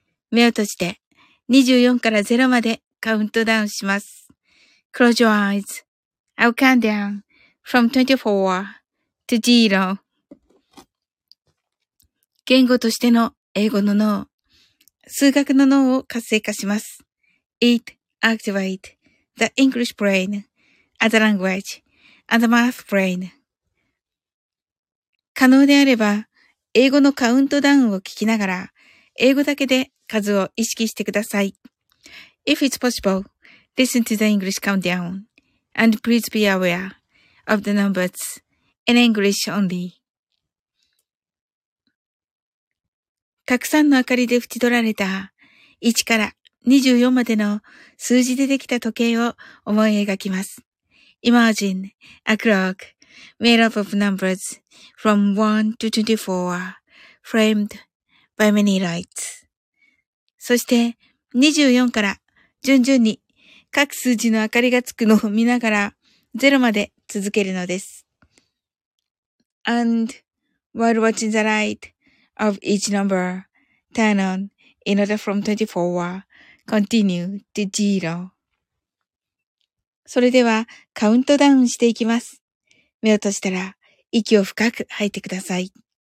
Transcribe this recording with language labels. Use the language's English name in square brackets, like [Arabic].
[Japanese] 目を閉じて24から0までカウントダウンします。 [English] Close your eyes. I'll count down from 24 to 0. [Japanese] 言語としての英語の脳、数学の脳を活性化します。 [English] It activate the English brain as a language and the math brain. [Japanese] 可能であれば、英語のカウントダウンを聞きながら、英語だけで数を意識してください。 [English] If it's possible, listen to the English countdown and please be aware of the numbers in English only. [Japanese] たくさんの明かりで縁取られた1から24までの数字でできた時計を思い描きます。 [English] Imagine a clock made up of numbers from 1 to 24 framed by many lights. [Japanese] そして24から順々に各数字の明かりがつくのを見ながら0まで続けるのです。 [English] And while watching the light of each number turn on in order from 24 continue to 0. [Japanese] それではカウントダウンしていきます。目を閉じたら息を深く吐いてください。